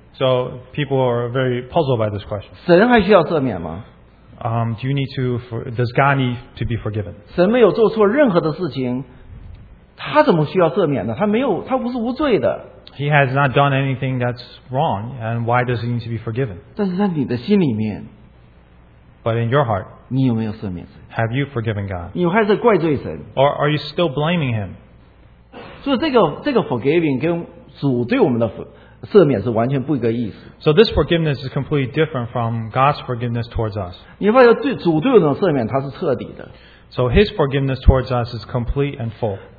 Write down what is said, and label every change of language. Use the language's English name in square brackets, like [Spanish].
[English] So people are very puzzled by this question. [Chinese] 神还需要赦免吗? [English] Do you need to? Does God need to be forgiven? [Chinese] 神没有做错任何的事情, 他怎么需要赦免呢? 他没有, 他不是无罪的。 [English] He has not done anything that's wrong, and why does he need to be forgiven? [Chinese] 但是在你的心里面, [English] but in your heart, [Chinese] 你有没有赦免神? [English] Have you forgiven God? [Chinese] 你还在怪罪神? [English] Or are you still blaming him? [Chinese] 所以这个 forgiving 跟主对我们的 [English] So this forgiveness is completely different from God's forgiveness towards us. [Chinese] 你发现主对我们的赦免它是彻底的。 [English] So his forgiveness towards us is complete and full.